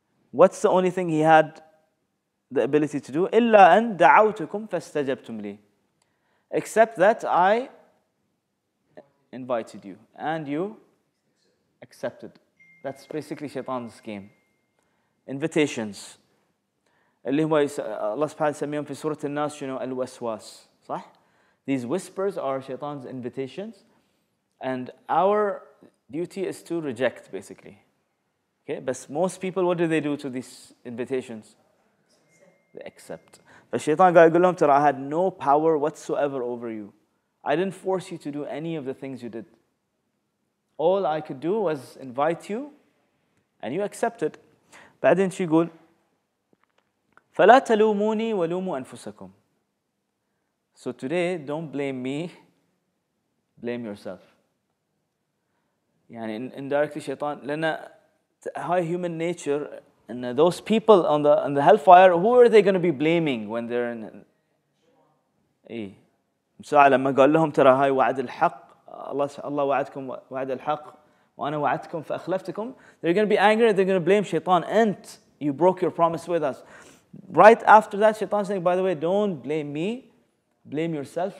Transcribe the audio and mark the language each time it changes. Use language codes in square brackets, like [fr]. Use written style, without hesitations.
[en] What's the only thing he had the ability to do? [ar] إلا أن دعوتكم فاستجبتم لي. [en] Except that I invited you and you accepted. That's basically Shaitan's game. Invitations. [ar] اللي هو الله سبحانه وتعالى سميهم في سورة الناس شنو الوسواس. [en] صح? These whispers are Shaitan's invitations. And our duty is to reject basically. Okay, but most people, what do they do to these invitations? They accept. But Shaitan [ar] قال يقول لهم ترى [en] I had no power whatsoever over you. I didn't force you to do any of the things you did. All I could do was invite you, and you accepted. [ar] بعدين شو يقول؟ فلا تلوموني ولوموا أنفسكم. [en] So today, don't blame me. Blame yourself. [ar] يعني [en] indirectly شيطان لنا High human nature, and those people on the hellfire, who are they going to be blaming when they're in? [ar] إيه. [en] So [ar] لما قال لهم ترى هاي وعد الحق الله وعدكم وعد الحق وأنا وعدتكم فأخلفتكم. [en] They're going to be angry. They're going to blame شيطان. And you broke your promise with us. Right after that, شيطان saying, by the way, don't blame me, blame yourself.